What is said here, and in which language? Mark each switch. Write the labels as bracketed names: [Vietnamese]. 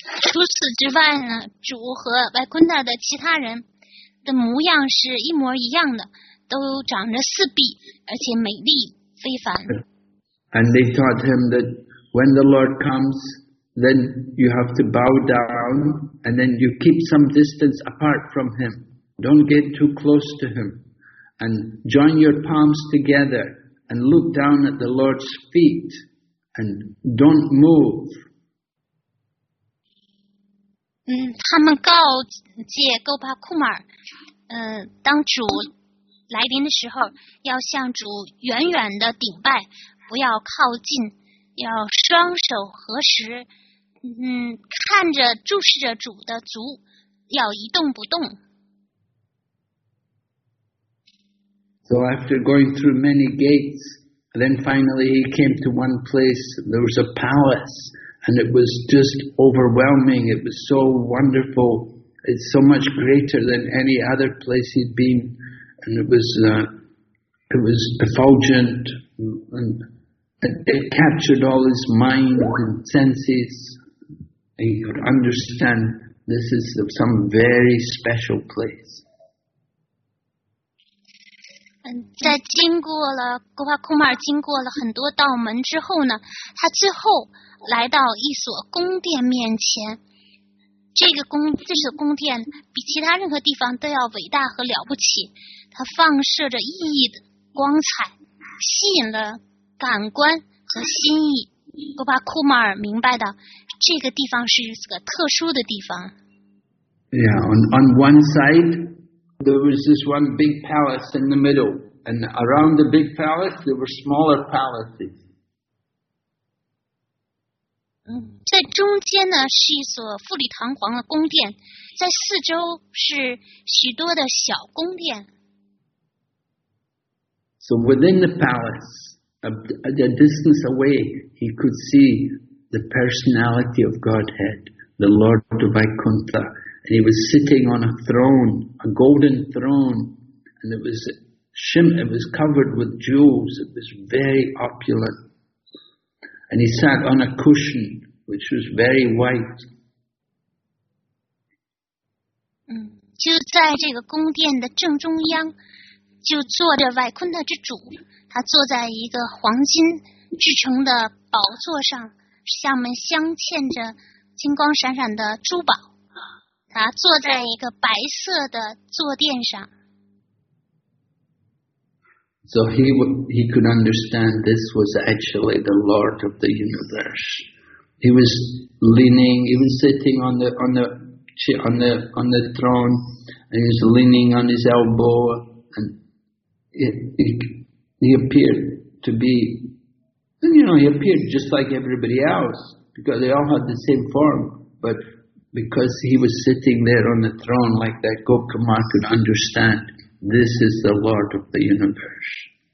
[Chinese] 除此之外呢，主和白坤达的其他人的模样是一模一样的，都长着四臂，而且美丽非凡。 [English] And they taught him that when the Lord comes, then you have to bow down, and then you keep some distance apart from him. Don't get too close to him. And join your palms together and look down at the Lord's feet and don't move. [Chinese] 他们告诫 Gopa Kumar, 当主来临的时候要向主远远的顶拜，不要靠近，要双手合十，看着注视着主的足，要一动不动。 [English] So after going through many gates, then finally he came to one place. There was a palace, and it was just overwhelming. It was so wonderful. It's so much greater than any other place he'd been. And it was effulgent, and it captured all his mind and senses. And you could understand this is some very special place. [Chinese] 在经过了古巴库马尔经过了很多道门之后呢，他最后来到一所宫殿面前。这所宫殿比其他任何地方都要伟大和了不起，它放射着熠熠的光彩，吸引了感官和心意。古巴库马尔明白的，这个地方是一个特殊的地方。 [English] Yeah, on one side. There was this one big palace in the middle, and around the big palace there were smaller palaces. [Chinese] 在中间呢是一所富丽堂皇的宫殿，在四周是许多的小宫殿。 [English] So within the palace, at a distance away, he could see the personality of Godhead the Lord of Vaikuntha, and he was sitting on a throne, a golden throne, and it was covered with jewels. It was very opulent. And he sat on a cushion, which was very white. [Chinese] 就在这个宫殿的正中央, 就坐着Vaikuntha之主, 他坐在一个黄金制成的宝座上, 下面镶嵌着金光闪闪的珠宝, 他坐在一个白色的坐垫上。 [English] So he could understand this was actually the Lord of the universe. He was leaning, he was sitting on the throne, and he was leaning on his elbow, and he appeared to be, you know, he appeared just like everybody else, because they all had the same form, but because he was sitting there on the throne like that, Gokama could understand, this is the Lord of the universe.